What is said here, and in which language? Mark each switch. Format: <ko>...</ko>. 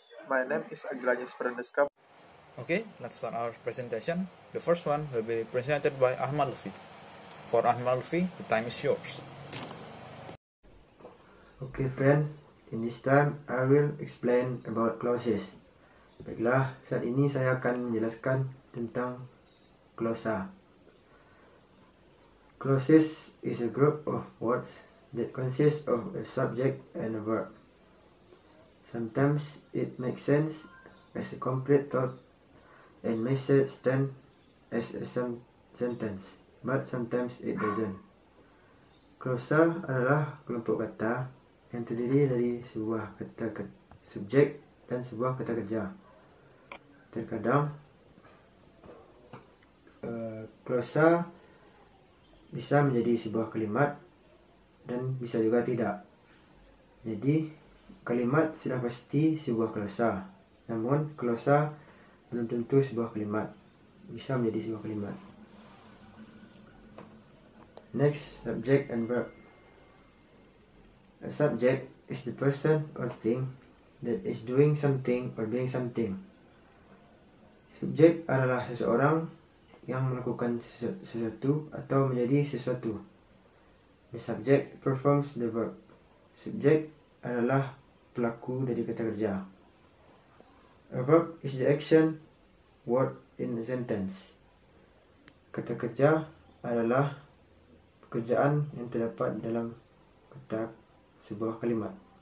<en>My name is Agilanyus Perendeska. Okay, let's start our presentation. The first one will be presented by Ahmad Lufi. For Ahmad Lufi, the time is yours. Okay, friend. In this time, I will explain about clauses.</en> <id>Baiklah, saat ini saya akan menjelaskan tentang klausa.</id> <en>Clauses is a group of words that consists of a subject and a verb. Sometimes it makes sense as a complete thought and may stand as a sentence, but sometimes it doesn't.</en> <id>Klausa adalah kelompok kata yang terdiri dari sebuah kata subjek dan sebuah kata kerja. Terkadang, klausa bisa menjadi sebuah kalimat dan bisa juga tidak. Jadi, kalimat sudah pasti sebuah klausa, namun klausa belum tentu sebuah kalimat, bisa menjadi sebuah kalimat.</id> <en>Next, subject and verb. A subject is the person or thing that is doing something or being something.</en> <id>Subject adalah seseorang yang melakukan sesuatu atau menjadi sesuatu.</id> <en>The subject performs the verb.</en> <id>Subject adalah pelaku dari kata kerja.</id> <en>A verb is the action word in a sentence.</en> <id>Kata kerja adalah pekerjaan yang terdapat dalam kata sebuah kalimat.</id>